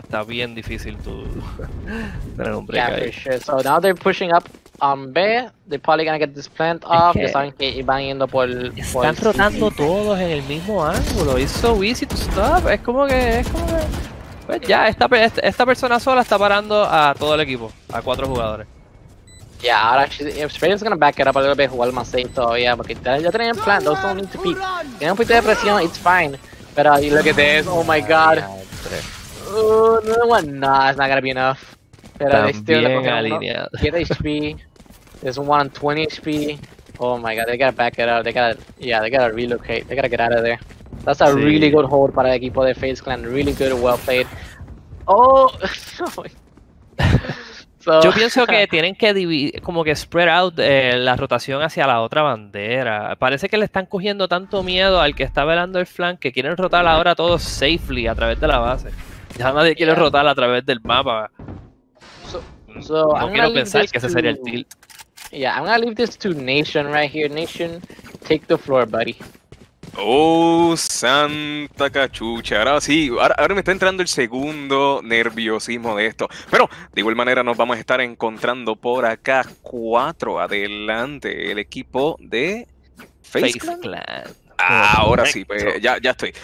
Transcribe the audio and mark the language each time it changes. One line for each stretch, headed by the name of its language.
Spanish: Está bien difícil tu tener un break.
English: Yeah, for sure. So now they're pushing up on B. They're probably gonna get this plant off.
Spanish: Ya saben que van yendo por el. Están rotando todos en el mismo ángulo.
English: It's so easy to stop.
Spanish: Es como que. Pues ya, esta persona sola está parando a todo el equipo, a cuatro jugadores.
English: Yeah,
Spanish: ahora
English: Spray's gonna back it up a little bit,
Spanish: jugar más
English: safe
Spanish: todavía, porque ya tenían plan, no
English: don't need to peek.
Spanish: Tienen un poquito de presión,
English: it's fine.
Spanish: Pero,
English: you look at this, oh my god. Oh, no, nah, it's not gonna be enough.
Spanish: Pero, también
English: they still look like get HP. There's one on 20 HP. Oh my god, they gotta back it up, they gotta relocate, they gotta get out of there. That's a really good hold
Spanish: para el equipo de
English: FaZe Clan. Really good, well played. Oh,
Spanish: so, yo pienso que tienen que como que
English: spread out
Spanish: la rotación hacia la otra bandera. Parece que le están cogiendo tanto miedo al que está velando el flank que quieren rotar ahora todo safely a través de la base. Ya nadie quiere rotar a través del mapa.
English: So,
Spanish: no quiero pensar que ese sería el tilt.
English: Yeah, I'm gonna leave this to Nation right here. Nation, take the floor, buddy.
Spanish: Oh, santa cachucha. Ahora sí, ahora me está entrando el segundo nerviosismo de esto. Pero, de igual manera, nos vamos a estar encontrando por acá. Cuatro adelante, el equipo de FaZe Clan. Ahora sí, pues ya estoy.